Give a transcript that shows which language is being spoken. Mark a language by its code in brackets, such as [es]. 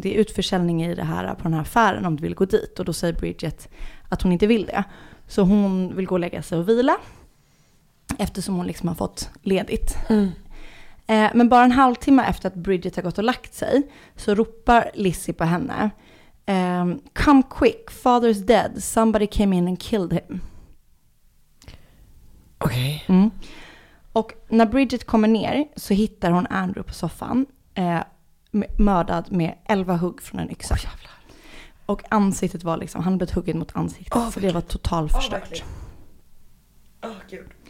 [sv] Det är utförsäljning i det här, på den här affären om du vill gå dit. Och då säger Bridget att hon inte vill det. Så hon vill gå och lägga sig och vila. Eftersom hon liksom har fått ledigt. Mm. Men bara en halvtimme efter att Bridget har gått och lagt sig så ropar Lizzie på henne. [en] Come quick, father's dead. Somebody came in and killed him. [sv] Okej. [en] Okay. Mm. [sv] Och när Bridget kommer ner så hittar hon Andrew på soffan. Mördad med 11 hugg från en yxa. Oh, jävlar. Och ansiktet var liksom, han blev huggen mot ansiktet. Oh, för det var totalt förstört. Oh, gud.